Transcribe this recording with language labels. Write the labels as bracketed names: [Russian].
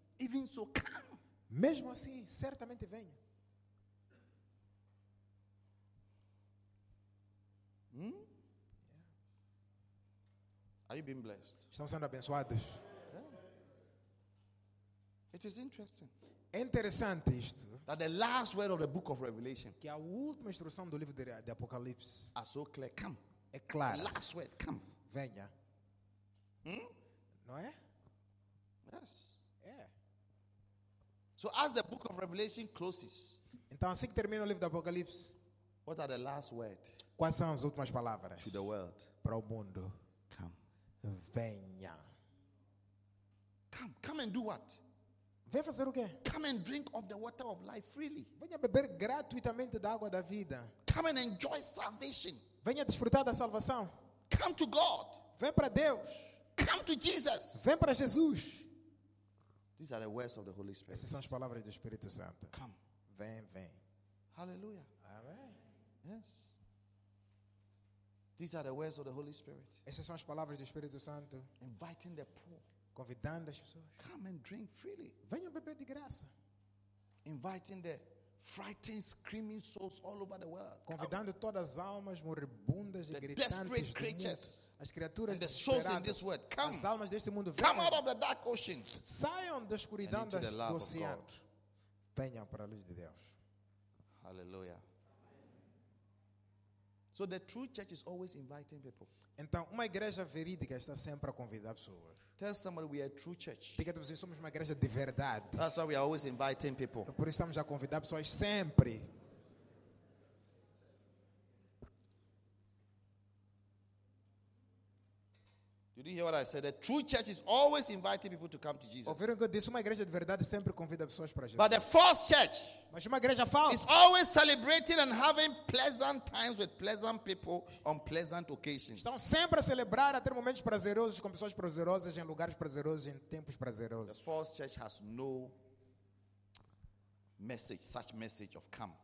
[English] Even so, come. [Portuguese] Mesmo assim, certamente venha. [English] Are you being blessed? [Portuguese] Estão sendo abençoados. [English] It is interesting. [Portuguese] É interessante isto. [English] That the last word of the book of Revelation. [Portuguese] Que a última instrução do livro de Apocalipse. [English] Are so clear. Come. [Portuguese] É claro. [English] The last word. Come. [Portuguese] Venha. Hmm? Não é? [English] Yes. [Portuguese] É. [English] So as the book of Revelation closes. [Portuguese] Então assim que termina o livro de Apocalipse. [English] What are the last word? [Portuguese] Quais são as últimas palavras? [English] To the world. [Portuguese] Para o mundo. [English] Come. [Portuguese] Venha. [English] Come and do what? [Portuguese] Vem fazer o quê? [English] Come and drink of the water of life freely. [Portuguese] Venha beber gratuitamente da água da vida. [English] Come and enjoy salvation. [Portuguese] Venha desfrutar da salvação. [English] Come to God. [Portuguese] Vem para Deus. [English] Come to Jesus. [Portuguese] Vem para Jesus. [English] These are the words of the Holy Spirit. [Portuguese] Essas são as palavras do Espírito Santo. [English] Come. [Portuguese] Vem. [English] Hallelujah. [Portuguese] Amém. [English] Yes. These are the words of the Holy Spirit. [Portuguese] Essas são as palavras do Espírito Santo. [English] Inviting the poor. [Portuguese] Convidando as pessoas. [English] Come and drink freely. [Portuguese] Venham beber de graça. [English] Inviting the frightened, screaming souls all over the world. [Portuguese] Convidando todas as almas moribundas e gritantes. [English] Desperate creatures. [Portuguese] As criaturas [English] the souls in this world. Come. [Portuguese] As almas deste mundo. [English] Come out of the dark ocean. [Portuguese] Saiam da escuridão do oceano. Venham para a luz de Deus. [English] Hallelujah. So the true church is always inviting people. [Portuguese] Então, uma igreja verídica está sempre a convidar pessoas. [English] Tell somebody we are a true church. [Portuguese] Diga a vocês, somos uma igreja de verdade. [English] That's why we are always inviting people. [Portuguese] Por isso estamos a convidar pessoas sempre. [English] Did you hear what I said? The true church is always inviting people to come to Jesus. [Portuguese] Ouviram que eu disse? Uma igreja de verdade sempre convida pessoas para Jesus. [English] But the false church, [Portuguese] mas uma igreja falsa, [English] is always celebrating and having pleasant times with pleasant people on pleasant occasions. [Portuguese] Estão sempre a celebrar, a ter momentos prazerosos com pessoas prazerosas, em lugares prazerosos, em tempos prazerosos. [English] The false church has no message, such message of come.